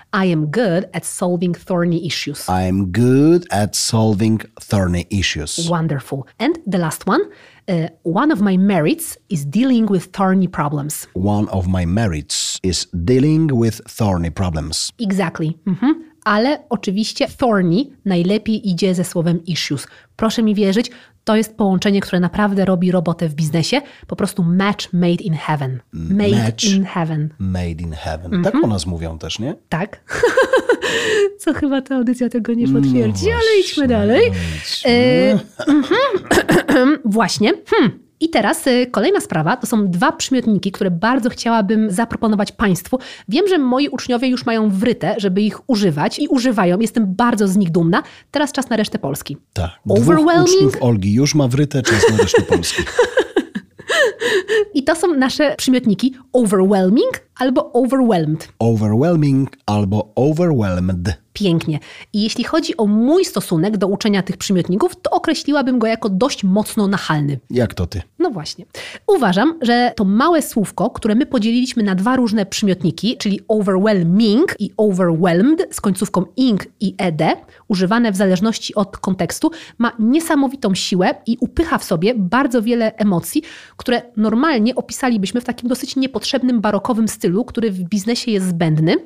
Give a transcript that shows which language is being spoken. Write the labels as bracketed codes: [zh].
[en] I am good at solving thorny issues. I am good at solving thorny issues. Wonderful. And the last one. One of my merits is dealing with thorny problems. One of my merits is dealing with thorny problems. Exactly. Mm-hmm. [pl] Ale oczywiście thorny najlepiej idzie ze słowem issues. Proszę mi wierzyć, to jest połączenie, które naprawdę robi robotę w biznesie. Po prostu [en] match made in heaven. Made match in heaven. Made in heaven. [pl] Mm-hmm. Tak o nas mówią też, nie? Tak. Co chyba ta audycja tego nie potwierdzi, no ale idźmy dalej. Właśnie. I teraz kolejna sprawa, to są 2 przymiotniki, które bardzo chciałabym zaproponować Państwu. Wiem, że moi uczniowie już mają wrytę, żeby ich używać i używają. Jestem bardzo z nich dumna. Teraz czas na resztę Polski. Tak. Overwhelming. Dwóch uczniów Olgi już ma wrytę, czas na resztę Polski. I to są nasze przymiotniki overwhelming albo overwhelmed. Overwhelming albo overwhelmed. Pięknie. I jeśli chodzi o mój stosunek do uczenia tych przymiotników, to określiłabym go jako dość mocno nachalny. Jak to ty? No właśnie. Uważam, że to małe słówko, które my podzieliliśmy na 2 różne przymiotniki, czyli overwhelming i overwhelmed z końcówką ing i ed, używane w zależności od kontekstu, ma niesamowitą siłę i upycha w sobie bardzo wiele emocji, które normalnie opisalibyśmy w takim dosyć niepotrzebnym barokowym stylu, który w biznesie jest zbędny.